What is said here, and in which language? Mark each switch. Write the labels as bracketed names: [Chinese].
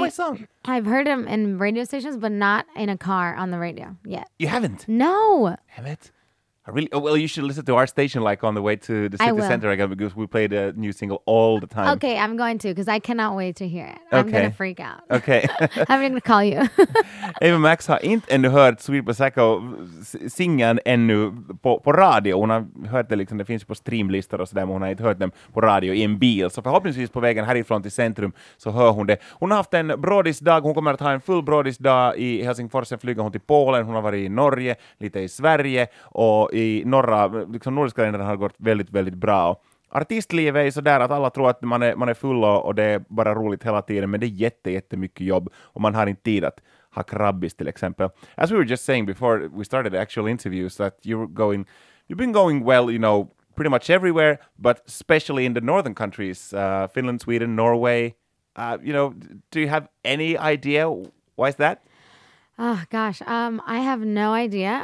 [English] My song. I've heard them in radio stations, but not in a car on the radio yet. You haven't? No. Damn it. Well, you should listen to our station like on the way to the city center again because we play the new single all the time. Okay, I'm going to because I cannot wait to hear it. Okay. I'm going to freak out. Okay. I'm going to call you. [Swedish] Ava Max har inte ännu hört Sweet Prosecco singa ännu på radio. Hon har hört det liksom, det finns på streamlistor och sådär, men hon har inte hört dem på radio i en bil. Så förhoppningsvis på vägen härifrån till centrum så hör hon det. Hon har haft en brådisdag, hon kommer att ha en full brådisdag i Helsingfors, sen flyger hon till Polen, hon har varit i Norge, lite i Sverige och i norra, liksom nordiska länderna har gått väldigt, väldigt bra. Artistlivet är så där att alla tror att man är full och det är bara roligt hela tiden, men det är jättemycket jobb och man har inte tid att ha krabbis till exempel. [English] As we were just saying before we started the actual interviews that you've been going well, you know, pretty much everywhere, but especially in the northern countries, Finland, Sweden, Norway. You know, do you have any idea why is that? Oh, gosh. I have no idea.